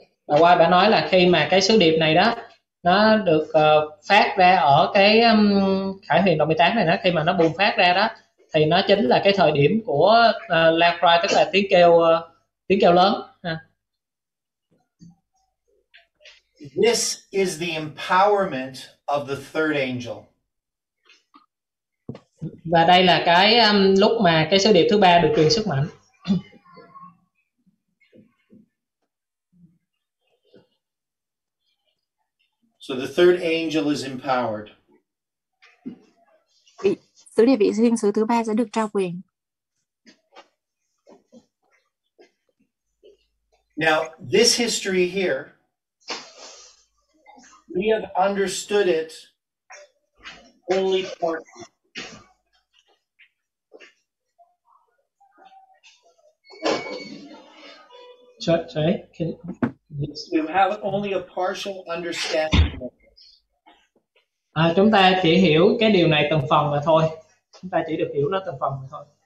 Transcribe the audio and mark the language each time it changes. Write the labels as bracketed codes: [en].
[vi] Bà White bà nói là khi mà cái sứ điệp này đó nó được phát ra ở cái Khải Huyền 18 này đó, khi mà nó bùng phát ra đó thì nó chính là cái thời điểm của loud cry, tức là tiếng kêu lớn. [en] This is the empowerment of the third angel. [vi] Và đây là cái lúc mà cái sứ điệp thứ ba được truyền sức mạnh. [en] So the third angel is empowered. [vi] sứ địa vị thiên sứ thứ ba sẽ được trao quyền. [en] Now, this history here, we have understood it only partly. Sorry, can you have only a partial understanding of this? [vi] À, chúng ta chỉ hiểu cái điều này từng phần mà thôi. Chúng ta chỉ được hiểu nó từng phần mà thôi.